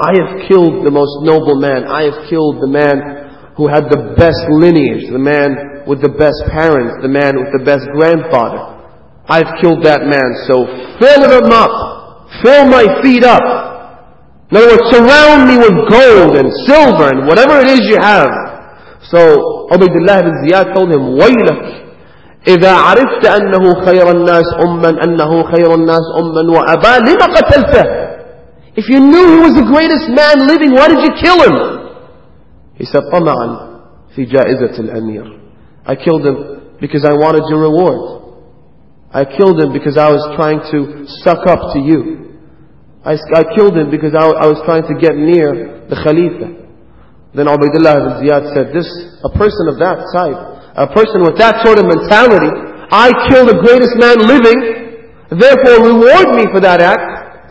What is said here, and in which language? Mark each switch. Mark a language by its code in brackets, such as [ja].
[en] I have killed the most noble man. I have killed the man who had the best lineage, the man with the best parents, the man with the best grandfather. I have killed that man. So fill them up. Fill my feet up. In other words, surround me with gold and silver and whatever it is you have. So Ubaydullah ibn Ziyad told him, [ar] وَيْلَكْ إِذَا عَرِفْتَ أَنَّهُ خَيْرَ النَّاسِ أُمَّنْ أَنَّهُ خَيْرَ النَّاسِ أُمَّنْ وَأَبَى لِمَ قَتَلْتَ. [en] If you knew he was the greatest man living, why did you kill him? He said, [ar] طَمَعًا فِي جَائِزَةِ الْأَمِيرِ. [en] I killed him because I wanted your reward. I killed him because I was trying to suck up to you. I killed him because I was trying to get near the Khalifa. Then Ubaydullah ibn Ziyad said, this, a person of that type, a person with that sort of mentality, I kill the greatest man living, therefore reward me for that act.